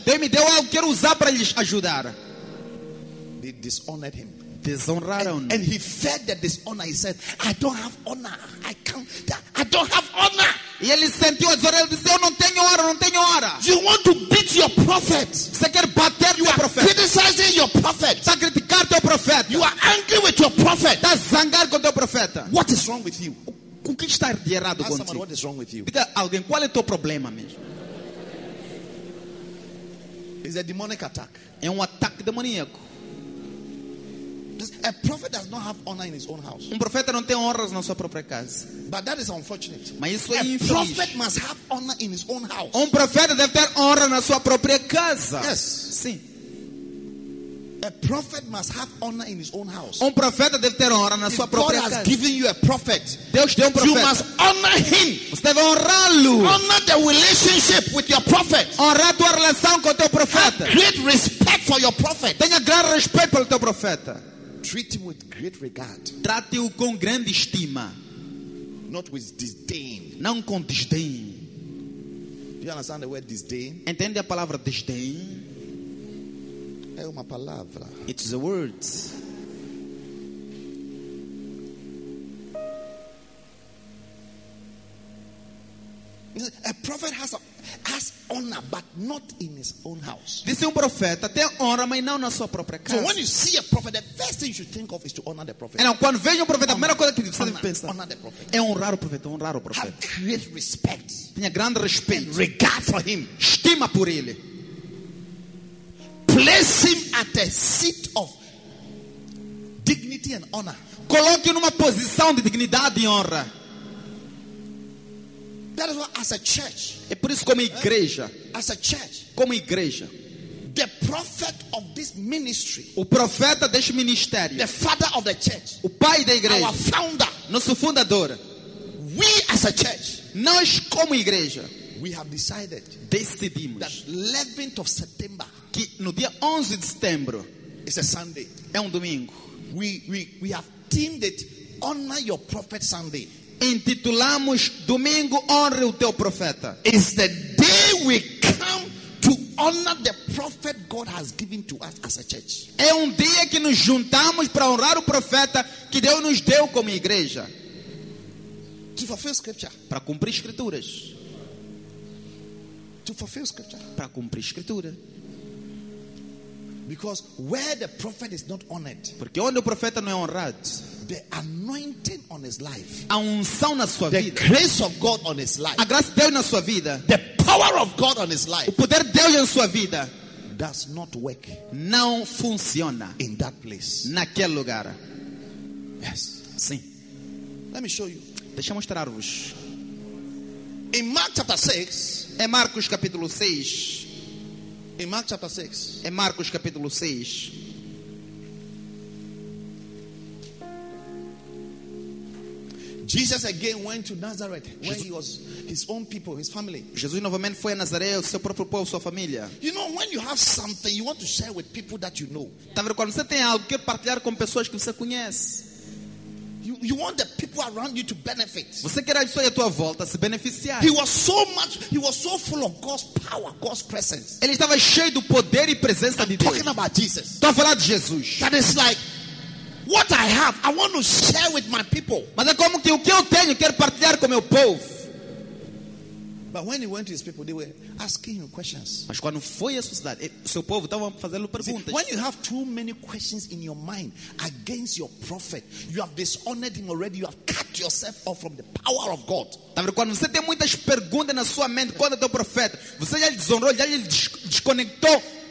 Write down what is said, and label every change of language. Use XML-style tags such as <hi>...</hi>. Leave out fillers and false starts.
<pt>Deus me deu algo, quero usar para lhes ajudar.</pt> <en>They dishonored him.</en> <pt>Desonraram.</pt> <en>And he fed the dishonor. He said, I don't have honor. I can't. I don't have honor.</en> <pt>E ele sentiu a dor. Ele disse, eu não tenho honra, não tenho honra.</pt> <en>You want to beat your prophet?</en> <pt>Você quer bater o profeta?</pt> <en>Criticizing your prophet.</en> <pt>Está criticando teu profeta.</pt> <en>You are angry with your prophet.</en> <pt>Está zangado com teu profeta.</pt> <en>What is wrong with you?</en> <pt>O que está de errado contigo?</pt> <en>Someone, what is wrong with you?</en> <pt>Diga alguém, qual é teu problema mesmo?</pt> <en>It's a demonic attack.</en> <pt>É ataque demoníaco.</pt> <en>A prophet does not have honor in his own house.</en> <pt>Profeta não tem honras na sua própria casa.</pt> <en>But that is unfortunate.</en> <pt>Mas isso é a infeliz.</pt> <en>Prophet must have honor in his own house.</en> <pt>Profeta deve ter honra na sua própria casa.</pt> <en>Yes.</en> <pt>Sim.</pt> <en>A prophet must have honor in his own house.</en> <pt>Profeta deve ter honra na</pt> <en>if</en> <pt>sua própria</pt> <en>God</en> <pt>casa.</pt> <en>God has given you a prophet.</en> <pt>Deus deu profeta.</pt> <en>You must honor him.</en> <pt>Você deve honrá-lo.</pt> <en>Honor the relationship with your prophet.</en> <pt>Honra tua relação com teu profeta.</pt> <en>Have great respect for your prophet.</en> <pt>Tenha grande respeito pelo teu profeta.</pt> <en>Treat him with great regard.</en> <pt>Trate-o com grande estima.</pt> <en>Not with disdain.</en> <pt>Não com desdém.</pt> <en>Do you understand the word disdain?</en> <pt>Entende a palavra desdém? É uma palavra.</pt> <en>It's a word. A prophet has honor, but not in his own house.</en> <pt>Disse profeta tem honra, mas não na sua própria casa.</pt> <en>So when you see a prophet, the first thing you should think of is to honor the prophet.</en> <pt>E não, quando vejo profeta, a primeira coisa que você deve pensar</pt> <en>honor the prophet.</en> <pt>É honrar o profeta, honrar o profeta.</pt> <en>Have great respect.</en> <pt>Tenha grande respeito.</pt> <en>And regard for him.</en> <pt>Estima por ele.</pt> <en>Place him at the seat of dignity and honor.</en> <pt>Coloque-o numa posição de dignidade e honra.</pt> <en>That is why, as a church,</en> <pt>é por isso como igreja,</pt> <en>as a church,</en> <pt>como igreja,</pt> <en>the prophet of this ministry,</en> <pt>o profeta deste ministério,</pt> <en>the father of the church,</en> <pt>o pai da igreja,</pt> <en>our founder,</en> <pt>nosso fundador,</pt> <en>we as a church,</en> <pt>nós como igreja,</pt> <en>we have decided,</en> <pt>decidimos,</pt> <en>that 11th of September,</en> <pt>que no dia 11 de setembro,</pt> <en>is a Sunday,</en> <pt>é domingo,</pt> <en>we have teamed it, honor your prophet Sunday.</en> <pt>Intitulamos Domingo Honre o Teu Profeta.</pt> <en>It's the day we come to honor the prophet God has given to us as a church.</en> <pt>É dia que nos juntamos para honrar o profeta que Deus nos deu como igreja.</pt> <en>To fulfill scripture.</en> <pt>Para cumprir escrituras.</pt> <en>To fulfill scripture.</en> <pt>Para cumprir escritura.</pt> <en>Because where the prophet is not honored.</en> <pt>Porque onde o profeta não é honrado.</pt> <en>The anointing on his life,</en> <pt>a unção na sua</pt> <en>the</en> <pt>vida,</pt> <en>grace of God on his life,</en> <pt>a graça de Deus na sua vida,</pt> <en>the power of God on his life,</en> <pt>o poder de Deus em sua vida,</pt> <en>does not work,</en> <pt>não funciona</pt> <en>in that place,</en> <pt>naquele lugar.</pt> <en>Yes,</en> <pt>sim.</pt> <en>Let me show you.</en> <pt>Deixa eu mostrar-vos.</pt> <en>In Mark chapter 6,</en> <pt>em Marcos capítulo 6,</pt> <en>in Mark chapter 6,</en> <pt>em Marcos capítulo 6.</pt> <en>Jesus again went to Nazareth, where he was his own people, his family.</en> <pt>Jesus novamente foi a Nazaré, o seu próprio povo, sua família.</pt> <en>You know, when you have something, you want to share with people that you know.</en> <pt>Tá vendo, quando você tem algo que partilhar com pessoas que você conhece.</pt> <en>You want the people around you to benefit.</en> <pt>Você quer a pessoa à tua volta se beneficiar.</pt> <en>He was so full of God's power, God's presence.</en> <pt>Ele estava cheio do poder e presença de Deus.</pt> <en>Talking about Jesus.</en> <pt>Tô falando de Jesus.</pt> <en>That is like. What I have, I want to share with my people.</en> <pt>Mas é como que o que eu tenho, quero partilhar com meu povo.</pt> <en>But when he went to his people, they were asking him questions.</en> <pt>Mas quando foi a sua cidade, seu povo estava fazendo perguntas.</pt> <en>See, when you have too many questions in your mind against your prophet, you have dishonored him already. You have cut yourself off from the power of God.</en> <pt>Tá vendo? Quando você tem muitas perguntas na sua mente contra teu profeta, você já lhe desonrou, já lhe desconectou.</pt>